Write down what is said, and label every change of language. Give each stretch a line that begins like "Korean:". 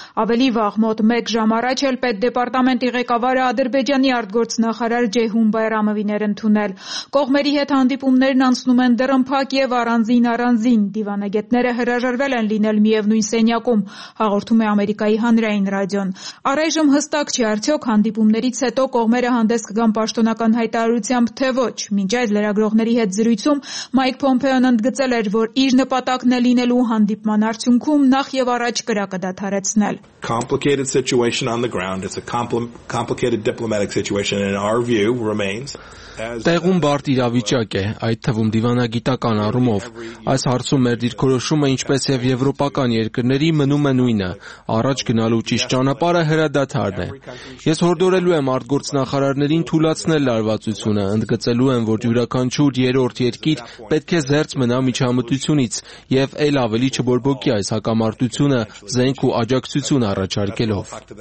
Armenian: Ավելի վաղ, մոտ 1 ժամ առաջ էլ Պետդեպարտամենտի ղեկավարը Ադրբեջանի արտգործնախարար Ջեյհուն Բայրամովին էր ընդունել։ Կողմերի հետ հանդիպումներն անցնում են դռնփակ եւ առանձին-առանձին։ Դիվանագետները հրաժարվել են լինել միևնույն սենյակում, հաղորդում է Ամերիկայի հանրային ռադիոն։ Առայժմ հստակ չի, արդյոք հանդիպումներից հետո կողմերը հանդես կգան պաշտոնական հայտարարությամբ, թե ոչ։ ոչ, մինչ այդ լրագրողների հետ զրույցում Մայք Փոմպեոն ընդգծել էր, որ իր նպատակն է լինելու հանդիպման արդյունքում նախ եւ առաջ կրակը դադարեցնել.
English: Complicated situation on the ground. It's a complicated diplomatic situation in our view remains.
Armenian: Տեղում բարդ իրավիճակ է, այդ թվում դիվանագիտական առումով։ Այս հարցում մեր դիրքորոշումը, ինչպես եւ եվրոպական երկրների, մնում է նույնը։ Առաջ գնալու ճիշտ ճանապարհը հրադադարն է։ Ես հորդորելու եմ արտգործնախարարներին թույլատնել լարվածությունը, ընդգծելու եմ, որ յուրաքանչյուր երրորդ երկիր պետք է զերծ մնա միջամտությունից եւ այլ ավելի չբորբոքի այս հակամարտությունը զենք ու աջակցություն առաջարկելով։